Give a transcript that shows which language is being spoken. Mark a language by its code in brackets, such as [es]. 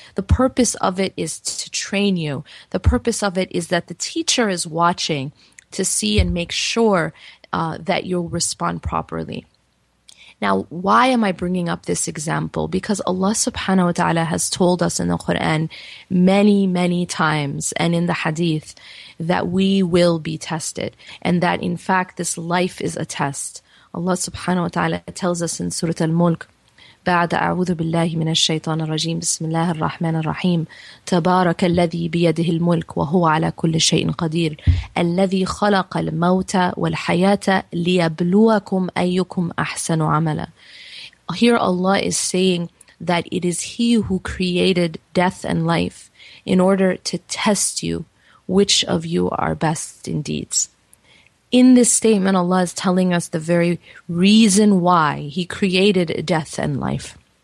[en] The purpose of it is to train you. The purpose of it is that the teacher is watching to see and make sure that you'll respond properly. Now, why am I bringing up this example? Because Allah subhanahu wa ta'ala has told us in the Quran many, many times and in the hadith that we will be tested and that in fact this life is a test. Allah subhanahu wa ta'ala tells us in Surah Al-Mulk, [ar] بعد أعوذ بالله من الشيطان الرجيم بسم الله الرحمن الرحيم تبارك الذي بيده الملك وهو على كل شيء قدير الذي خلق الموت والحياة ليبلوكم أيكم أحسن عملا. [en] Here Allah is saying that it is He who created death and life in order to test you, which of you are best in deeds. In this statement, Allah is telling us the very reason why He created death and life.